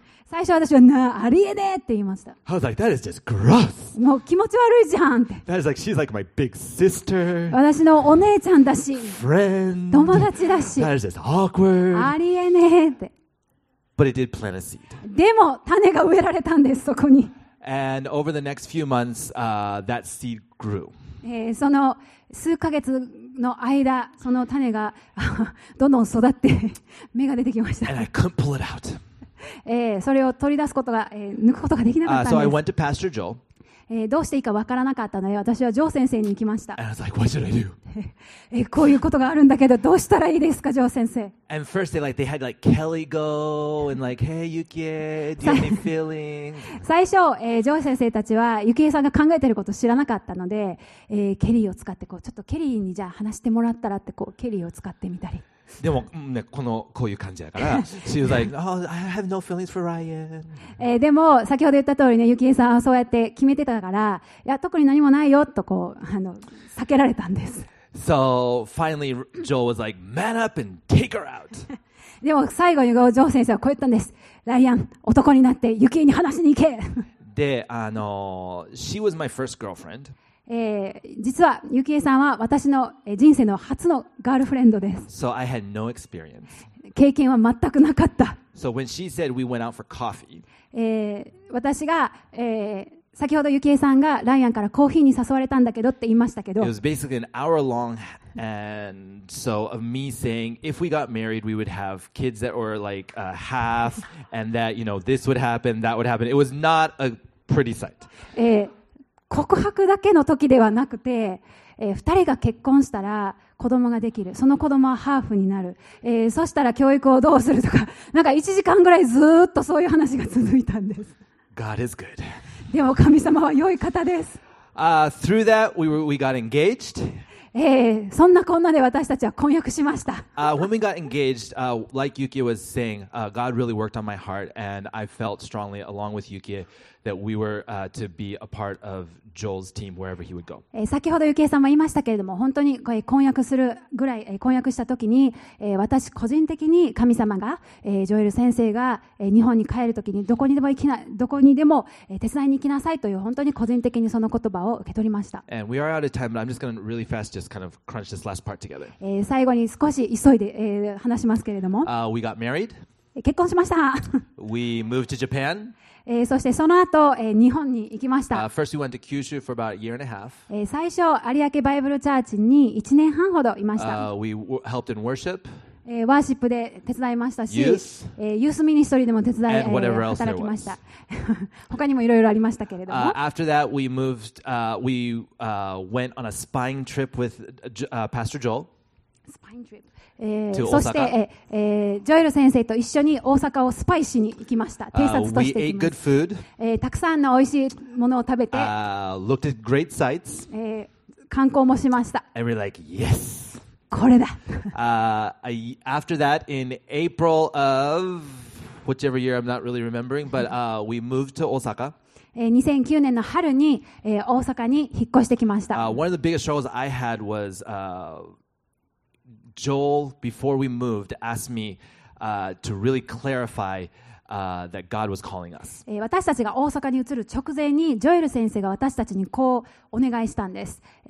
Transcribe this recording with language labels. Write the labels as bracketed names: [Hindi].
[Japanese] 最初私はなありえねえって言いました。 [English] I was like, that is just gross. [Japanese] もう気持ち悪いじゃんって。 [English] That is like she's like my big sister. [Japanese] 私のお姉ちゃんだし。 [English] Friend. [Japanese] 友達だし。 [English] That is just awkward. [Japanese] ありえねえって。 [English] But it did plant a seed. [Japanese] でも種が植えられたんですそこに。 [English] And over the next few months, that seed grew. [Japanese] その数ヶ月の間その種がどんどん育って芽が出てきました [English] And I couldn't pull it out. [Japanese] それを取り出すことが、抜くことができなかったんです、 [English] so I went to Pastor Joel. [Japanese] どうしていいかわからなかったので私はジョー先生に行きました [English] And I was like, what should I do? [Japanese] こういうことがあるんだけどどうしたらいいですかジョー先生 [English] And first they, like, they had like Kelly go and like, hey Yukie, do you have any feelings? [Japanese] 最初、ジョー先生たちはユキエさんが考えてることを知らなかったので、ケリーを使ってこうちょっとケリーにじゃあ話してもらったらってこうケリーを使ってみたりでも、ね、このこういう感じだから [English] She was like, oh, I have no feelings for Ryan. [Japanese] でも先ほど言った通りねユキエさんはそうやって決めてたからいや特に何もないよとこうあの避けられたんです [English] So finally, Joel was like, "Man up and take her out." [Japanese] でも最後にジョー先生はこう言ったんです。ライアン、男になってユキエに話しに行け。 [English] で、she was my first girlfriend. [Japanese] 実はユキエさんは私の人生の初のガールフレンドです。 [English] So I had no experience. [Japanese] 経験は全くなかった。 [English] So when she said we went out for coffee, [Japanese] 私が、先ほどユキエさんがライアンからコーヒーに誘われたんだけどって言いましたけど [English] It was basically an hour long and so of me saying if we got married we would have kids that were like half and that you know this would happen that would happen it was not a pretty sight [Japanese] 告白だけの時ではなくて二人が結婚したら子供ができるその子供はハーフになる、そしたら教育をどうするとかなんか1時間ぐらいずっとそういう話が続いたんです [English] God is good [Japanese] でも神様は良い方です。 [English] Through that, we got engaged. [Japanese] そんなこんなで私たちは婚約しました。 [English] When we got engaged, like Yukie was saying, God really worked on my heart, and I felt strongly along with Yukie that we were to be a part of Joel's team wherever he would go. [Japanese] 先ほど Yukie さんも言いましたけれども、本当に婚約するぐらい、婚約した時に、私個人的に神様が、ジョエル先生が、日本に帰る時にどこにでも行きな、どこにでも、手伝いに行きなさいという本当に個人的にその言葉を受け取りました。 [English] And we are out of time, but I'm just going to really fast. Just kind of crunch this last part together. [Japanese] 最後に少し急いで、話しますけれども、 [English] we got married. [Japanese] 結婚しました。 [English] We moved to Japan. [Japanese] そしてその後、日本に行きました。 [English] First we went to Kyushu for about a year and a half. [Japanese] 最初、有明バイブルチャーチに1年半ほどいました。 [English] We helped in worship. [Japanese] ワーシップで手伝いましたし、ユースミニストリーでも手伝い、働きました。他にもいろいろありましたけれども。 [English] After that, we moved, we went on a spying trip with Pastor Joel. Spying trip. [Japanese] そして、ジョエル先生と一緒に大阪をスパイしに行きました。偵察として行きました。 [English] We ate good food. [Japanese] たくさんの美味しいものを食べて、 [English] looked at great sights. [Japanese] 観光もしました。 [English] And we're like, yes! [Japanese] これだ。 [English] after that, in April of whichever year, I'm not really remembering, but we moved to Osaka. [Japanese] 2009年の春に、大阪に引っ越してきました。 [English] One of the biggest struggles I had was Joel, before we moved, asked me to really clarify. That God was calling us. [Japanese] 私たちが大阪に移る直前に、ジョエル先生が私たちにこうお願いしたんです。